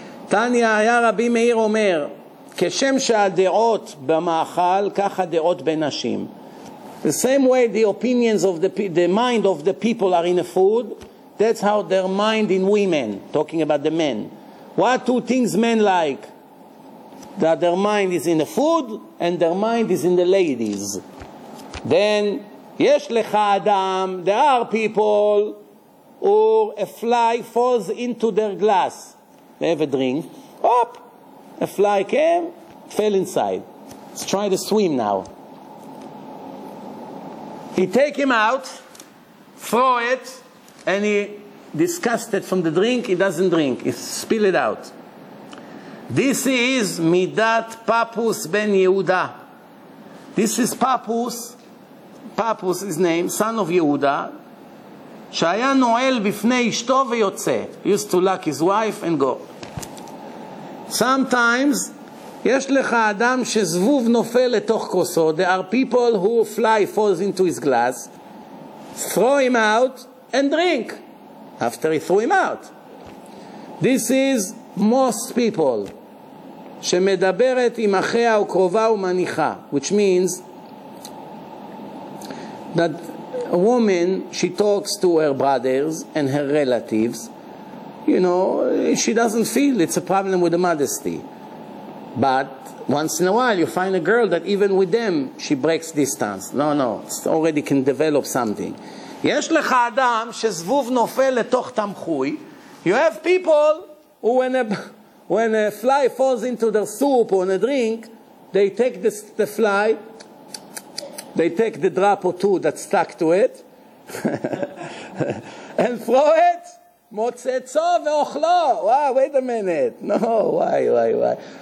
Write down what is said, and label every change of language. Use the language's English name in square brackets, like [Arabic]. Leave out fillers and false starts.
[Hebrew] Tanya, היה רבי מאיר אומר, כשם שהדעות במאכל, כך הדעות בנשים. [English] The same way the opinions of the mind of the people are in the food, that's how their mind in women, talking about the men. What 2 things men like? That their mind is in the food, and their mind is in the ladies. Then, [Hebrew] יש לך אדם, [English] there are people who a fly falls into their glass. They have a drink. Hop! A fly came, fell inside. Let's try to swim now. He take him out, throw it, and he disgusted from the drink, he doesn't drink. He spill it out. This is Midat Papus Ben Yehuda. This is Papus. Papus, his name, son of Yehuda, [Hebrew] שהיה נועל בפני אשתו ויוצא. [English] Used to lock his wife and go. Sometimes, [Hebrew] יש לך אדם שזבוב נופל לתוך כוסו. [English] There are people who fly falls into his glass. Throw him out and drink. After he threw him out. This is most people. [Hebrew] שמדברת עם אחיה או קרובה ומניחה. [English] Which means that a woman, she talks to her brothers and her relatives. You know, she doesn't feel it's a problem with the modesty. But once in a while you find a girl that even with them she breaks distance. No, no, it's already can develop something. [Hebrew] יש לך אדם שזבוב נופל לתוך תמחוי. [English] You have people who when a fly falls into their soup or in a drink, they take the fly, they take the drop or two that stuck to it and throw it. [Hebrew] מוצצו ואוכלו. [English] Wow, wait a minute. No, why?